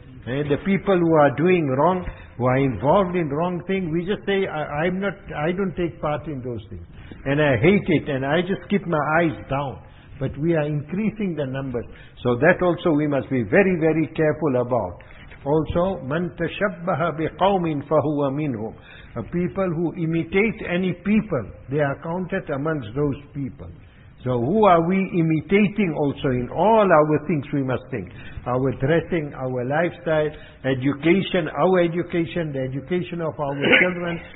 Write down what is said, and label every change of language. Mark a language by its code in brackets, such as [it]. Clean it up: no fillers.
[en] The people who are doing wrong, who are involved in wrong things, we just say, I don't take part in those things. And I hate it, and I just keep my eyes down. But we are increasing the numbers. So that also we must be very, very careful about. Also, [ar] مَنْ تَشَبَّهَ بِقَوْمٍ فَهُوَ مِنْهُمْ. [en] People who imitate any people, they are counted amongst those people. So who are we imitating also in all our things we must think? Our dressing, our lifestyle, education, our education, the education of our children.